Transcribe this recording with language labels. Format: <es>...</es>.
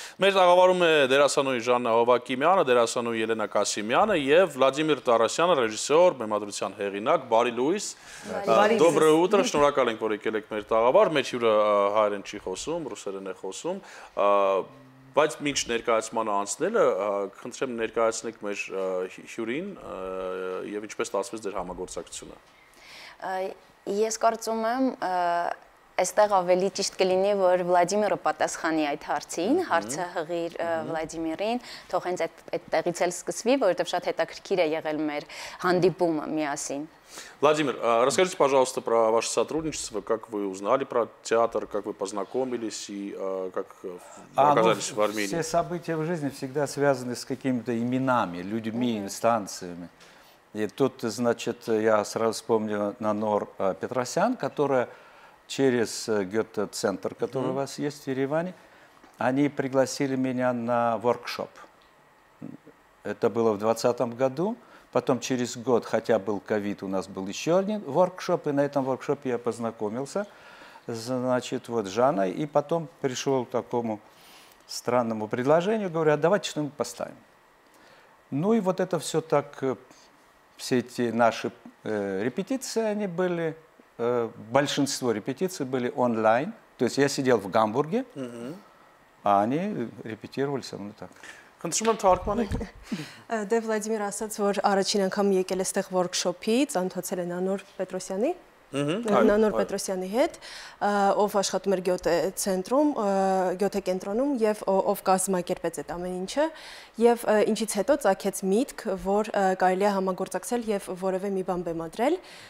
<hy>Մեր աղավարում է դերասանուհի Ժաննա Հովակիմյանը, դերասանուհի Ելենա Կասիմյանը եւ Վլադիմիր Տարասյանը, ռեժիսոր, մեմադրության հեղինակ, բարի լույս։</hy> <ru>Доброе утро,</ru> <hy>շնորհակալ ենք, որ եկել եք մեր աղավար։ Մեր հյուրը հայերեն չի խոսում, ռուսերեն է խոսում։ Բայց մինչ ներկայացմանը անցնելը, խնդրեմ ներկայացնեք մեր հյուրին եւ ինչպես ստացվեց ձեր համագործակցությունը։ Ես կարծում եմ, այստեղ ավելի ճիշտ կլինի, որ Վլադիմիրը պատասխանի այդ հարցին, հարցը հղիր Վլադիմիրին, թող հենց այդտեղից էլ սկսվի, որովհետեւ շատ հետաքրքիր է եղել մեր հանդիպումը միասին։</hy> <ru>Владимир, расскажите, пожалуйста, про ваше сотрудничество, как вы узнали про театр, как вы познакомились и как оказались в Армении? Все события в жизни всегда связаны с какими-то именами, людьми, инстанциями. И тут, значит, я сразу вспомнил Нанор Петросян, которая через Гёте-центр, который у вас есть в Ереване, они пригласили меня на воркшоп. Это было в 2020 году. Потом через год, хотя был ковид, у нас был еще один воркшоп, и на этом воркшопе я познакомился, значит, вот с Жанной, и потом пришел к такому странному предложению, говорю, а давайте что-нибудь поставим. Ну и вот это все так, все эти наши репетиции, они были, большинство репетиций были онлайн, то есть я сидел в Гамбурге, а они репетировали со мной так.</ru> <hy>Խնդրում եմ թարգմանեք։ Դե Վլադիմիր ասաց, որ առաջին անգամ եկել է այդտեղ workshop-ի, ծանոթացել է Նանոր Պետրոսյանի։ Նանոր Պետրոսյանի հետ, ով աշխատում էր Գյոթե ցենտրում, Գյոթե կենտրոնում եւ ով կազմակերպեց այդ ամեն ինչը, եւ ինչից հետո ծագեց միտք, որ կարելի է համագործակցել եւ որևէ մի բան բեմադրել,</hy>